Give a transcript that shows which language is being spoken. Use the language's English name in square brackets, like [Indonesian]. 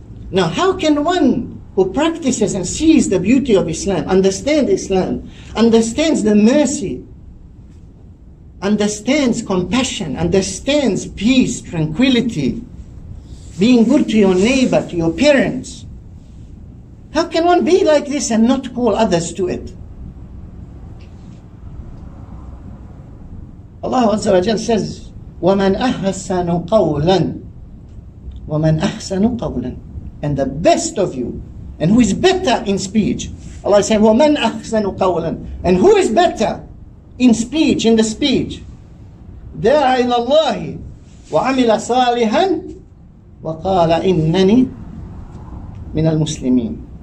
[English] Now how can one who practices and sees the beauty of Islam, understand Islam, understands the mercy, understands compassion, understands peace, tranquility, being good to your neighbor, to your parents. How can one be like this and not call others to it? Allah Azza wa Jalla says, [Arabic] وَمَنْ أَحْسَنُ قَوْلًا وَمَنْ أَحْسَنُ قَوْلًا. [English] And the best of you, and who is better in speech? Allah is saying, [Arabic] وَمَنْ أَحْسَنُ قَوْلًا. [English] And who is better in speech, in the speech? [Arabic] دَاعَ إِلَى اللَّهِ وَعَمِلَ صَالِحًا وَقَالَ إِنَّنِي من المسلمين.